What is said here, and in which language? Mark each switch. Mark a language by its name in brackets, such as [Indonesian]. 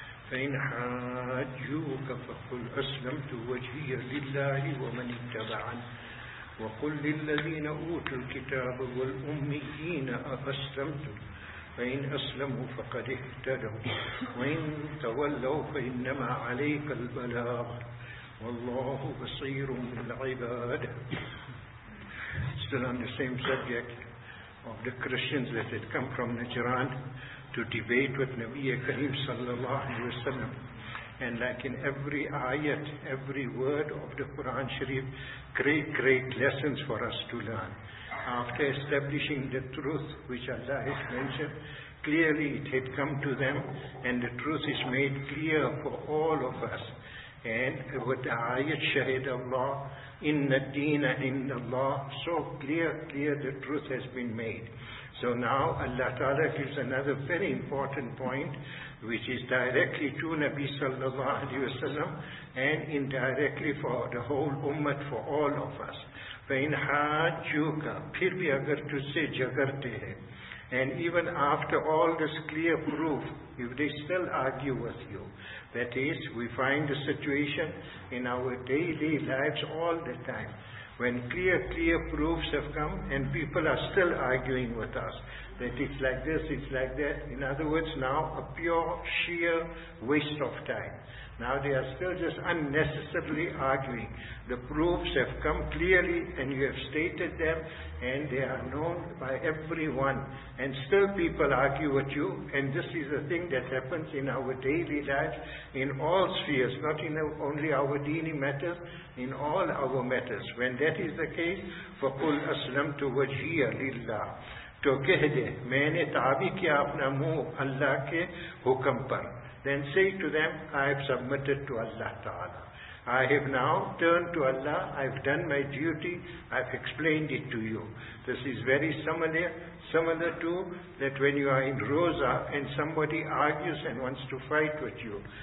[Arabic] فإن حاجوك فقل أسلمت وجهي لله ومن اتبعني، وقل للذين أوتوا الكتاب والأميين أأسلمتم، فإن أسلموا فقد اهتدوا، وإن تولوا فإنما عليك البلاغ، والله بصير بالعباد. [English] Still on the same subject of the Christians that had come from Najran to debate with Nabiya Kareem sallallahu alayhi wa sallam. And like in every ayat, every word of the Quran Sharif, great, great lessons for us to learn. After establishing the truth which Allah has mentioned, clearly it had come to them, and the truth is made clear for all of us. And with the ayat Shahid Allah, Inna Deena Inna Allah, so clear the truth has been made. So now Allah Ta'ala gives another very important point, which is directly to Nabi Sallallahu Alaihi Wasallam and indirectly for the whole ummah, for all of us. [Arabic] فَإِنْ حَاجُّكَ [Urdu] پھر بھی اگر تُس سے جگرتے ہیں. [English] And even after all this clear proof, if they still argue with you, that is, we find the situation in our daily lives all the time, when clear proofs have come and people are still arguing with us, that it's like this, it's like that. In other words, now a pure, sheer waste of time. Now they are still just unnecessarily arguing. The proofs have come clearly and you have stated them and they are known by everyone. And still people argue with you. And this is a thing that happens in our daily life, in all spheres, not in only our deeni matters, in all our matters. When that is the case, [Arabic] فَقُلْ أَسْلَمْتُ وَجْهِيَ لِلَّهِ [Urdu] تو کہہ دے میں نے تابع کیا اپنا منہ اللہ کے حکم پر. [English] Then say to them, I have submitted to Allah Ta'ala. I have now turned to Allah, I have done my duty, I have explained it to you. This is very similar to that when you are in Roza and somebody argues and wants to fight with you.